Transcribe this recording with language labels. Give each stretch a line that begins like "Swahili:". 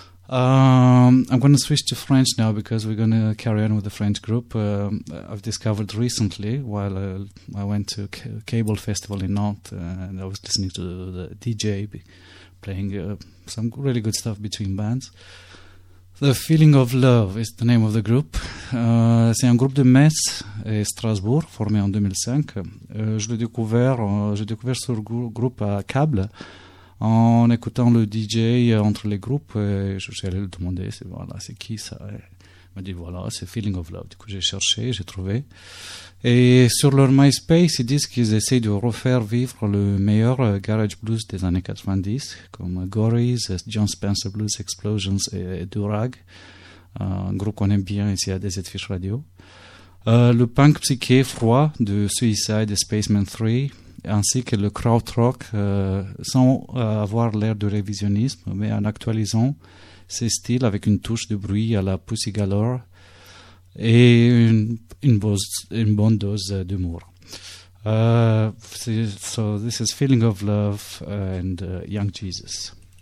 English: I'm going to switch to French now because we're going to carry on with the French group. I've discovered recently while I went to Cable Festival in Nantes and I was listening to the DJ playing some really good stuff between bands. The Feeling of Love is the name of the group.
French: C'est un groupe de Metz et Strasbourg, formé en 2005. Je l'ai découvert, ce groupe à Câble en écoutant le DJ entre les groupes. Je suis allé le demander, c'est qui ça? Il m'a dit, c'est Feeling of Love. Du coup, j'ai cherché, j'ai trouvé. Et sur leur MySpace, ils disent qu'ils essayent de refaire vivre le meilleur garage blues des années 90, comme Gorries, John Spencer Blues, Explosions et Durag, un groupe qu'on aime bien ici à DZFish Radio. Le punk psyché froid de Suicide et Spaceman 3, ainsi que le crowd rock, sans avoir l'air de révisionnisme, mais en actualisant ces styles avec une touche de bruit à la Pussy Galore, et une bonne dose d'humour.
English: So this is Feeling of Love and Young Jesus.